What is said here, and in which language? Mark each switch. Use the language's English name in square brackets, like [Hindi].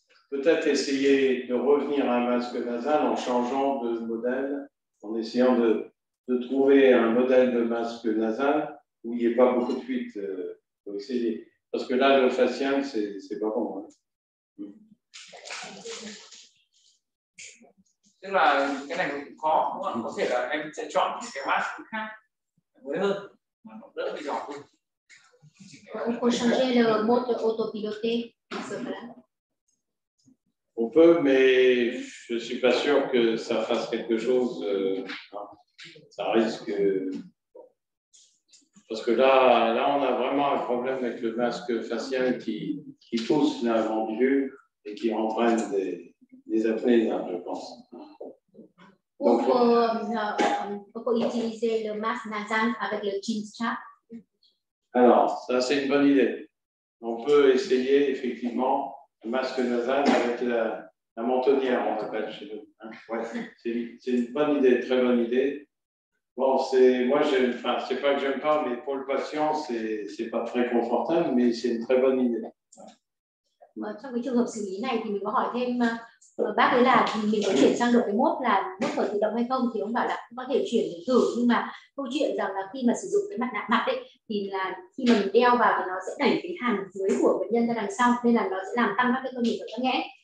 [French] Peut-être essayer de revenir à un masque nasal en changeant de modèle, en essayant de trouver un modèle de masque nasal où il n'y ait pas beaucoup de fuite pour essayer. Parce que là, le facial, c'est pas bon. Hein. [Vietnamese] Tức là cái này cũng khó đúng không? Có thể là em sẽ chọn cái mask khác mới hơn mà nó đỡ bị giỏ hơn. [French] On peut changer le mode autopiloté, ce là. On peut, mais je suis pas sûr que ça fasse quelque chose. Ça risque, parce que là on a vraiment un problème avec le masque facial qui pousse la mandibule et qui entraîne des apnées, hein, je pense. On peut utiliser le masque nasal avec le chin strap. Alors, ça c'est une bonne idée. On peut essayer effectivement le masque nasal avec la mentonnière, on appelle chez nous. Hein. Ouais. C'est une bonne idée, très bonne idée. Bon, c'est pas que j'aime pas, mais pour le patient, c'est pas très confortable, mais c'est une très bonne idée. [Vietnamese] Trong cái trường hợp xử lý này thì mình có hỏi thêm bác ấy là mình có chuyển sang được cái mốt là mốt thở tự động hay không, thì ông bảo là có thể chuyển để thử, nhưng mà câu chuyện rằng là khi mà sử dụng cái mặt nạ mặt ấy thì là khi mà mình đeo vào thì nó sẽ đẩy cái hàm dưới của bệnh nhân ra đằng sau, nên là nó sẽ làm tăng các cái cơ nghiệp của tắc nghẽn.